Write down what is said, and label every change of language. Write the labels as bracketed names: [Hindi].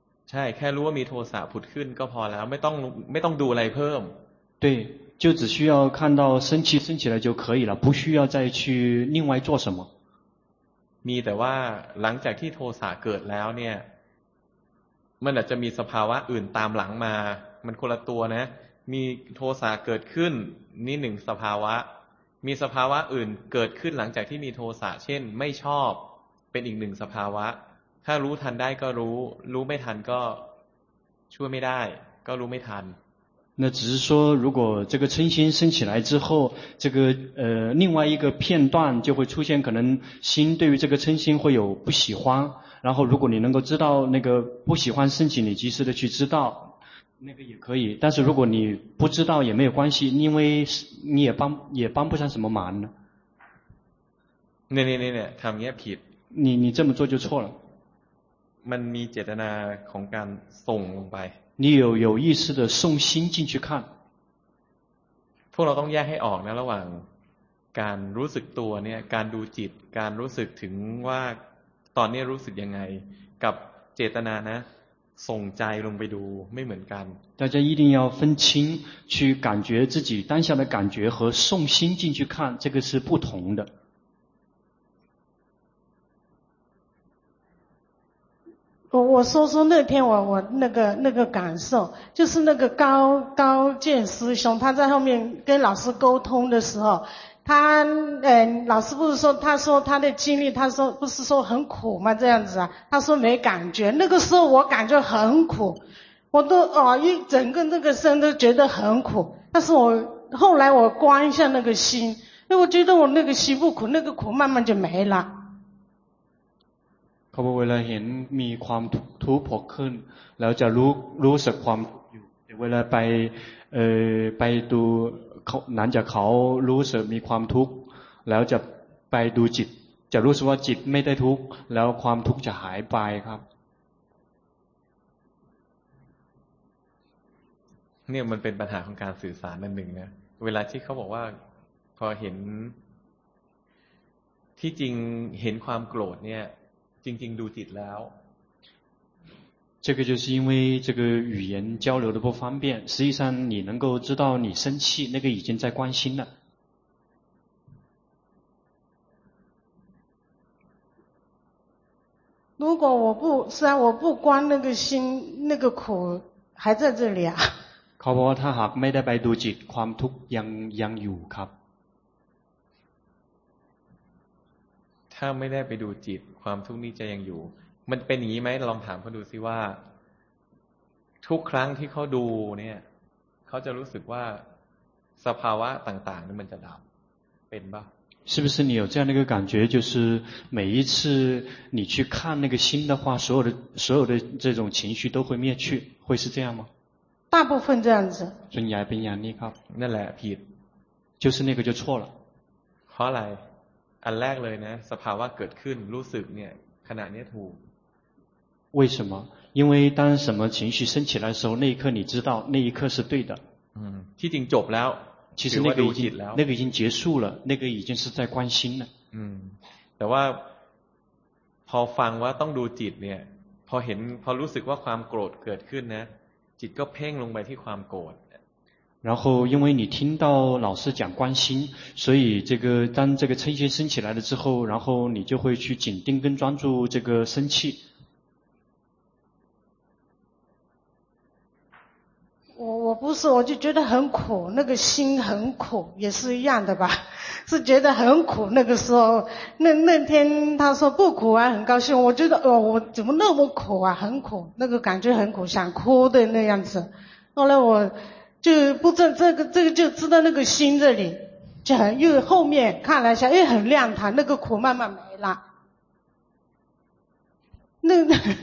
[Thai] ใช่แค่รู้ว่ามีโทสะผุดขึ้นก็พอแล้วไม่ต้องดูอะไรเพิ่ม [Chinese] 对就只需要看到升起来就可以了不需要再去另外做什么 [Thai] มีแต่ว่าหลังจากที่โทสะเกิดแล้วเนี่ยมันอาจจะมีสภาวะอื่นตามหลังมามันคนละตัวนะมีโทสะเกิดขึ้นนี่หนึ่งสภาวะมีสภาวะอื่นเกิดขึ้นหลังจากที่มีโทสะเช่นไม่ชอบเป็นอีกหนึ่งสภาวะถ้ารู้ทันได้ก็รู้รู้ไม่ทันก็ช่วยไม่ได้ก็รู้ไม่ทัน [Chinese] 那只是说如果这个嗔心升起来之后这个另外一个片段就会出现可能心对于这个嗔心会有不喜欢然后如果你能够知道那个不喜欢升起你及时的去知道那个也可以但是如果你不知道也没有关系因为你也帮不上什么忙呢 [Thai] 那ทำเงี้ยผิด [Chinese] 你这么做就错了 [Thai] มันมีเจตนาของการส่งลงไป [Chinese] 你有意识的送心进去看 [Thai] พวกเราต้องแยกให้ออกนะระหว่างการรู้สึกตัวเนี่ยการดูจิตการรู้สึกถึงว่าตอนนี้รู้สึกยังไงกับเจตนานะส่งใจลงไปดูไม่เหมือนกัน [Chinese] 大家一定要分清去感觉自己当下的感觉和送心进去看这个是不同的我说说那天我那个感受，就是那个高建师兄，他在后面跟老师沟通的时候，他老师不是说他说他的经历，他说不是说很苦吗？这样子啊，他说没感觉，那个时候我感觉很苦，我都一整个那个身都觉得很苦，但是我后来我观一下那个心，哎，我觉得我那个心不苦，那个苦慢慢就没了。 [Thai] เขาบอกเวลาเห็นมีความทุกข์ผกขึ้นแล้วจะรู้สึกความทุกข์อยู่เวลาไปดูหลังจากเขารู้สึกมีความทุกข์แล้วจะไปดูจิตจะรู้สึกว่าจิตไม่ได้ทุกข์แล้วความทุกข์จะหายไปครับ เนี่ยมันเป็นปัญหาของการสื่อสารนั่นหนึ่งนะเวลาที่เขาบอกว่าพอเห็นที่จริงเห็นความโกรธเนี่ยจริงๆดูจิตแล้ว [Chinese] 这个就是因为这个语言交流的不方便实际上你能够知道你生气那个已经在关心了如果我不虽然我不关那个心那个苦还在这里啊 [Thai] ขอบอกว่าถ้าหากไม่ได้ไปดูจิตความทุกข์ยังอยู่ครับ ถ้าไม่ได้ไปดูจิตความทุกข์นี้จะยังอยู่มันเป็นอย่างนี้ไหมลองถามเขาดูซิว่าทุกครั้งที่เขาดูเนี่ยเขาจะรู้สึกว่าสภาวะต่างๆนั้นมันจะดับเป็นป่ะ [Chinese] 是不是你有这样的一个感觉就是每一次你去看那个心的话所有的这种情绪都会灭去会是这样吗大部分这样子所以你还不一样你看 [Thai] 那แหละผิด [Chinese] 就是那个就错了。 [Thai] เพราะอะไรอันแรกเลยนะสภาวะเกิดขึ้นรู้สึกเนี่ยขณะนี้ถูก [Chinese] 为什么因为当什么情绪升起来的时候那一刻你知道那一刻是对的 [Thai] ที่จริงจบแล้ว [Chinese] 其实那个已经结束了那个已经是在关心了 [Thai] แต่ว่าพอฟังว่าต้องดูจิตเนี่ยพอเห็นพอรู้สึกว่าความโกรธเกิดขึ้นนะจิตก็เพ่งลงไปที่ความโกรธ [Chinese] 然后因为你听到老师讲关心所以这个当这个嗔心升起来了之后然后你就会去紧盯跟专注这个生气我不是我就觉得很苦那个心很苦也是一样的吧是觉得很苦那个时候那天他说不苦啊很高兴我觉得我怎么那么苦啊很苦那个感觉很苦想哭的那样子后来我就不知道这个就知道那个心这里就很又后面看了一下又很亮堂那个苦慢慢没了那个